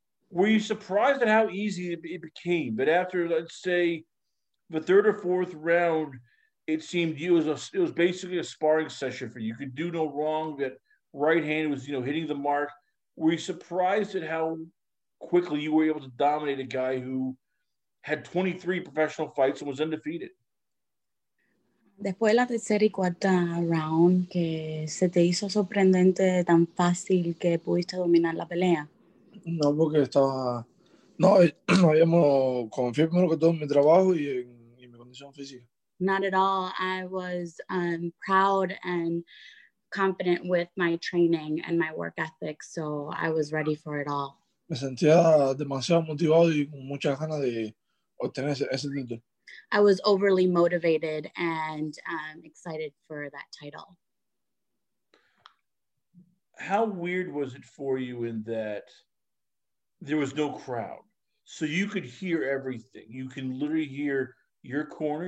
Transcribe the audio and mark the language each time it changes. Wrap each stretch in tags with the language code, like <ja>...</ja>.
<en>Were you surprised at how easy it became? But after, let's say, the third or fourth round, it seemed you was it was basically a sparring session for you. You could do no wrong. That right hand was, you know, hitting the mark. Were you surprised at how quickly you were able to dominate a guy who had 23 professional fights and was undefeated?</en> <es>Después de la tercera y cuarta round, que se te hizo sorprendente tan fácil que pudiste dominar la pelea. No, porque estaba... No, no habíamos confiado primero que todo en mi trabajo y en mi condición física.</es> <en>Not at all. I was proud and confident with my training and my work ethic, so I was ready for it all.</en> <es>Me sentía demasiado motivado y con muchas ganas de obtener ese título.</es> <en>I was overly motivated and excited for that title. How weird was it for you in that there was no crowd? So you could hear everything. You can literally hear your corner.</en>